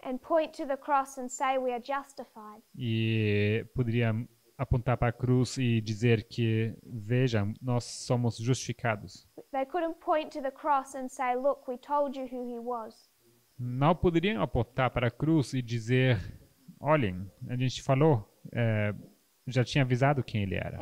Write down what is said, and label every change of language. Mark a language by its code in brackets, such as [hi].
[en] and point to the cross and say we are justified. [pt] E poderiam apontar para a cruz e dizer que, vejam, nós somos justificados. [en] They couldn't point to the cross and say, look, we told you who he was. [pt] Não poderiam apontar para a cruz e dizer, olhem, a gente falou, já tinha avisado quem ele era.